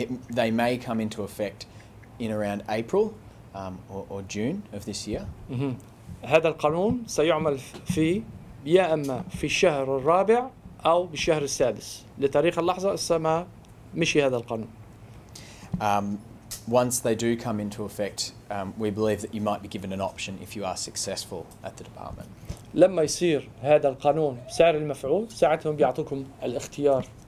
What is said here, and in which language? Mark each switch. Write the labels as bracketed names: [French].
[English] They may come into effect in around April or June of this year. [Arabic] هذا القانون سيعمل في يا اما في الشهر الرابع او بالشهر السادس لتاريخ اللحظه لسه ما مشي هذا القانون. [English] Once they do come into effect, we believe that you might be given an option if you are successful at the department. [Arabic] لما يصير هذا القانون سعر المفعول ساعتهم بيعطوكم الاختيار.